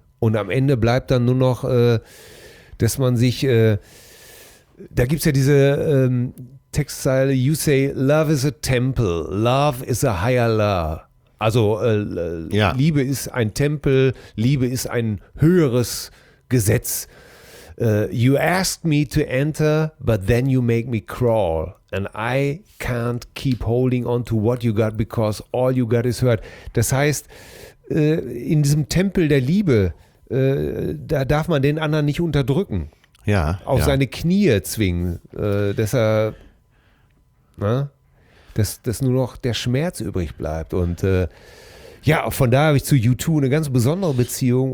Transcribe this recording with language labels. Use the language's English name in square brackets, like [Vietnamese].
[German] Und am Ende bleibt dann nur noch, dass man sich, da gibt's ja diese Textzeile, [English] you say, love is a temple, love is a higher law. [German] Also ja. Liebe ist ein Tempel, Liebe ist ein höheres Gesetz. [English] You ask me to enter, but then you make me crawl. And I can't keep holding on to what you got, because all you got is hurt. [German] Das heißt, in diesem Tempel der Liebe, da darf man den anderen nicht unterdrücken. Ja. Auf ja. seine Knie zwingen, dass er... Na? Dass nur noch der Schmerz übrig bleibt. Und von da habe ich zu U2 eine ganz besondere Beziehung.